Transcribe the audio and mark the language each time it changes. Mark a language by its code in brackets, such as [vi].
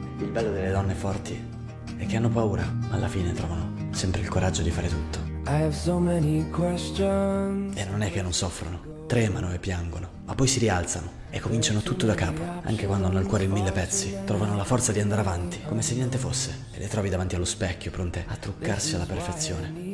[it] bello delle donne forti è che hanno paura, ma alla fine trovano sempre il coraggio di fare tutto. [en] I have so many questions. [it] E non è che non soffrono, tremano e piangono, ma poi si rialzano e cominciano tutto da capo. Anche quando hanno il cuore in mille pezzi, trovano la forza di andare avanti, come se niente fosse. E le trovi davanti allo specchio, pronte a truccarsi alla perfezione.